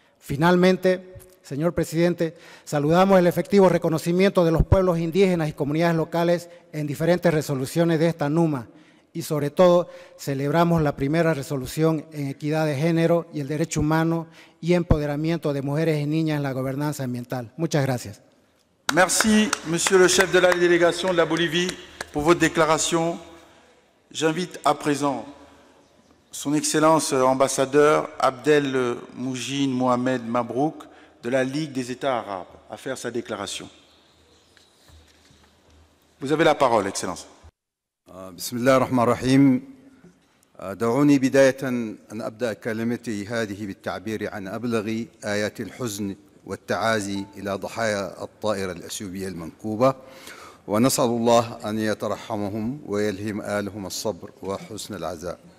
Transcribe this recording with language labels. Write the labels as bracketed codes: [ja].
[es] Finalmente, señor presidente, saludamos el efectivo reconocimiento de los pueblos indígenas y comunidades locales en diferentes resoluciones de esta ANUMA, y sobre todo celebramos la primera resolución en equidad de género y el derecho humano y empoderamiento de mujeres y niñas en la gobernanza ambiental. Muchas gracias. [fr] Merci monsieur le chef de la délégation de la Bolivie pour votre déclaration. J'invite à présent son excellence ambassadeur Abdel Mujin Mohamed Mabrouk de la Ligue des États arabes à faire sa déclaration. Vous avez la parole, excellence. [ar] بسم الله الرحمن الرحيم دعوني بداية أن أبدأ كلمتي هذه بالتعبير عن أبلغ آيات الحزن والتعازي إلى ضحايا الطائرة الأثيوبية المنكوبة ونسأل الله أن يترحمهم ويلهم آلهم الصبر وحسن العزاء